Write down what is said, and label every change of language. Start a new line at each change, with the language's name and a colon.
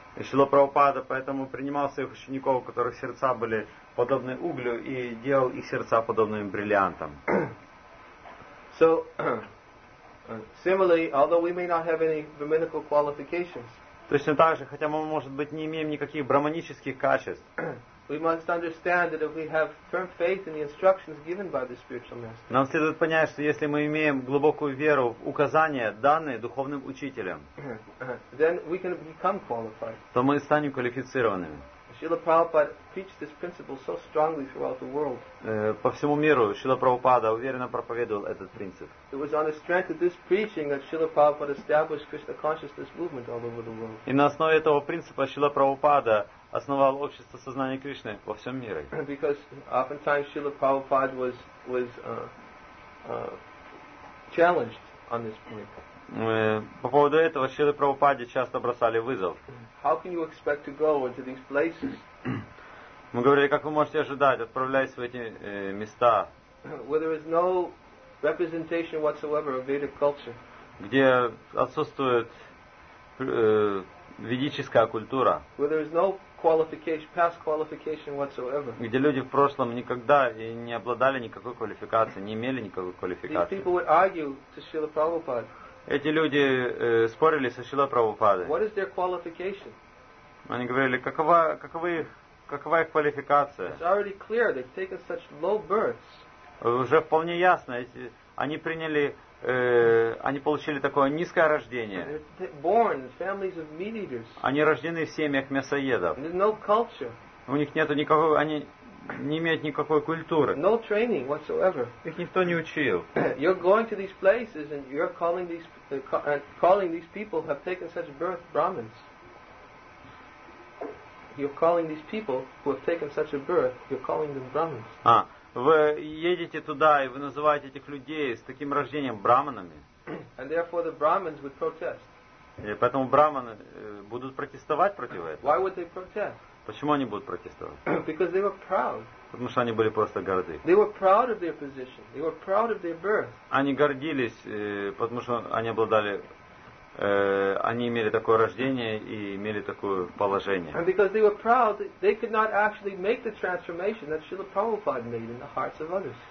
Russian: И Шрила Прабхупада поэтому принимал своих учеников, у которых сердца были подобны углю, и делал их сердца подобными бриллиантам.
English: So, similarly, although we may not have any brahminical qualifications,
Russian: точно так же, хотя мы, может быть, не имеем никаких брахманических качеств,
English: we must understand that if we have firm faith in the instructions given by the spiritual master,
Russian: нам следует понять, что если мы имеем глубокую веру в указания, данные духовным учителем,
English: then we can become qualified.
Russian: То мы станем квалифицированными.
English: Srila Prabhupada preached this principle so strongly throughout the world.
Russian: По всему миру Шрила Прабхупада уверенно проповедовал этот принцип.
English: It was on the strength of this preaching that Srila Prabhupada established Krishna consciousness movement all over the world.
Russian: И на основе этого принципа Шрила Прабхупада основал общество сознания Кришны во всем мире.
English: Because oftentimes Srila Prabhupada was challenged on this point.
Russian: По поводу этого Шрила Прабхупаде часто бросали вызов.
English: How can you expect to go into these places?
Russian: Мы говорили, как вы можете ожидать, отправляясь в эти места,
English: where there is no representation whatsoever of Vedic culture,
Russian: где отсутствует ведическая культура,
English: where there is no qualification, past qualification whatsoever,
Russian: где люди в прошлом никогда и не обладали никакой квалификацией, не имели никакой квалификации.
English: These people would argue to Srila Prabhupada.
Russian: Эти люди спорили со Шрилой Прабхупадой.
English: What is their qualification?
Russian: Они говорили, какова их квалификация?
English: It's already clear they've taken such low births.
Russian: Уже вполне ясно, они получили такое низкое рождение.
English: Born in families of meat eaters.
Russian: Они рождены в семьях мясоедов.
English: There's no culture.
Russian: У них нету никакого, они не имеют никакой культуры.
English: No training whatsoever.
Russian: Их никто не учил.
English: You're going to these places and you're calling these people who have taken such birth Brahmins. You're calling these people who have taken such a birth, you're calling them Brahmins.
Russian: А, вы едете туда и вы называете этих людей с таким рождением Брахманами.
English: And therefore the Brahmins would protest.
Russian: И поэтому Брахманы будут протестовать против этого.
English: Why would they protest?
Russian: Почему они будут протестовать?
English: Because they were proud.
Russian: Потому что они были просто горды.
English: They were proud of their position. They were proud of their birth.
Russian: Они гордились, потому что они обладали, они имели такое рождение и имели такое положение.
English: And because they were proud, they could not actually make the transformation that Srila Prabhupada made in the hearts of others.